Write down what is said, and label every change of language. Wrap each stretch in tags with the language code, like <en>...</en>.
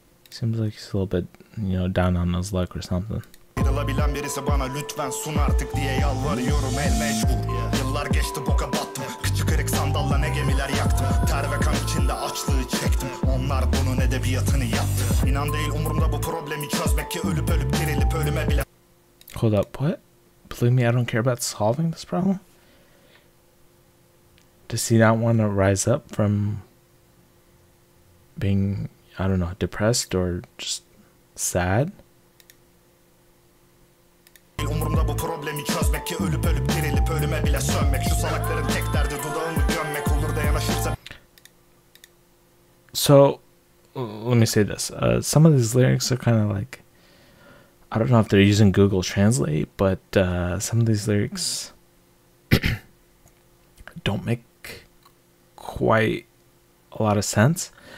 <en>Seems like he's a little bit, you know, down on his luck or something.</en> <tr>Sıyrılabilen birisi bana lütfen sun artık diye yalvarıyorum el mecbur. Yıllar geçti boka battım. Kıçı kırık sandalla ne gemiler yaktım. Ter ve kan içinde açlığı çektim. Onlar bunun edebiyatını yaptı. İnan değil umurumda bu problemi çözmek ki ölüp ölüp dirilip ölüme bile.</tr> <en>Hold up, what? Believe me, I don't care about solving this problem. Does he not want to rise up from being, I don't know, depressed or just sad?</en> <tr>Umurumda bu problemi çözmek ki ölüp ölüp dirilip ölüme bile sönmek. Şu salakların tek derdi dudağımı gömmek olur da yanaşırsa.</tr> <en>So, let me say this. Some of these lyrics are kind of like, I don't know if they're using Google Translate, but some of these lyrics don't make quite a lot of sense.</en>